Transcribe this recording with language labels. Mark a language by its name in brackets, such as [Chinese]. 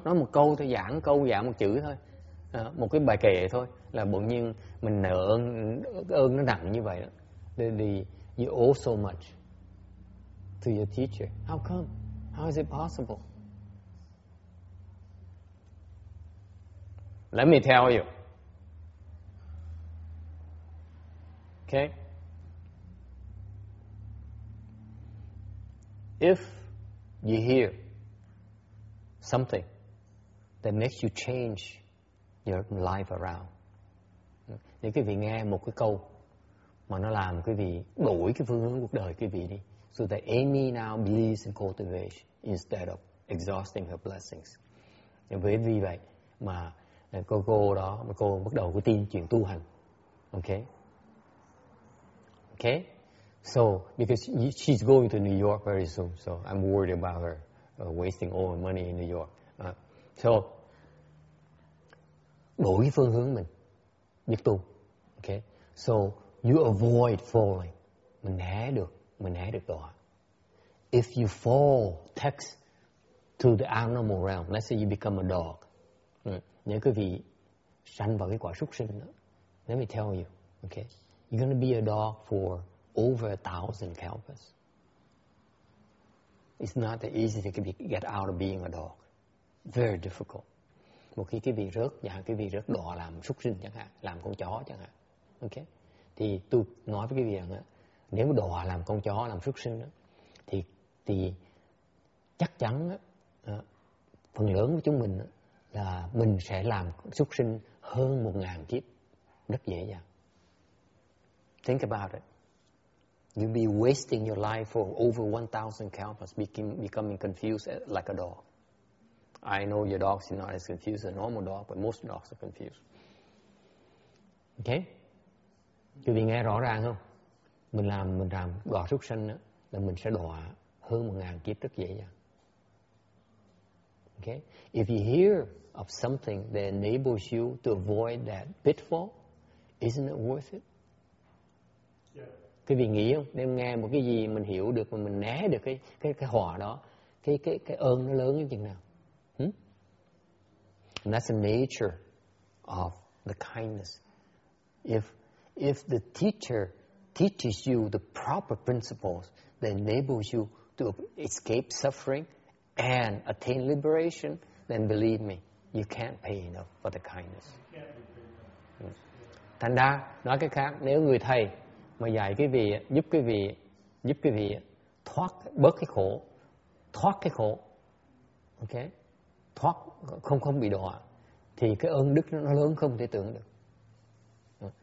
[Vietnamese] Nói một câu thôi, giảng câu, giảng một chữ thôi. Một cái bài kệ thôi. Là bỗng nhiên mình nợ ơn nó nặng như vậy đó. [English] The, you owe so much to your teacher. How come? How is it possible? Let me tell you. Okay? If you hear something that makes you change your life around, [Vietnamese] nếu quý vị nghe một cái câu mà nó làm quý vị đổi cái phương hướng cuộc đời quý vị đi, [English] so that Amy now believes in cultivation instead of exhausting her blessings. [Vietnamese] Bởi vì vậy mà cô đó, cô bắt đầu có tin chuyện tu hành. [English] Okay? Okay? So, because she's going to New York very soon, so I'm worried about her wasting all her money in New York. [Vietnamese] So, đổi phương hướng mình, nhất tu. [English] Okay? So, you avoid falling. [Vietnamese] Mình né được đó. [English] If you fall, text to the animal realm. Let's say you become a dog. [Vietnamese] Nếu quý vị sanh vào cái quả súc sinh đó, [English] let me tell you, okay? You're going to be a dog for over 1,000 kalpas. It's not that easy to get out of being a dog. Very difficult. [Vietnamese] Một khi quý vị rớt, và quý vị rớt đọa làm súc sinh chẳng hạn, làm con chó chẳng hạn, okay? Thì tôi nói với quý vị rằng, nếu đọa làm con chó, làm súc sinh, thì chắc chắn phần lớn của chúng mình là mình sẽ làm súc sinh hơn 1,000 kiếp. Rất dễ dàng. [English] Think about it. You'll be wasting your life for over 1,000 kalpas becoming confused like a dog. I know your dogs are not as confused as a normal dog, but most dogs are confused. Okay? [Vietnamese] Quý vị nghe rõ ràng không? Mình làm đọa súc sinh đó, là mình sẽ đọa hơn 1,000 kiếp rất dễ dàng. [English] Okay? If you hear of something that enables you to avoid that pitfall, isn't it worth it? [Vietnamese] Quý vị nghĩ không? Nếu nghe một cái gì mình hiểu được mà mình né được cái họa đó, cái ơn nó lớn như chừng nào? [English] And that's the nature of the kindness. If the teacher teaches you the proper principles that enables you to escape suffering and attain liberation, then believe me, you can't pay enough for the kindness. [Vietnamese] Thành ra, nói cái khác, nếu người thầy mà dạy quý vị, giúp quý vị thoát bớt cái khổ, okay? Thoát không bị đọa, thì cái ơn đức nó lớn không thể tưởng được.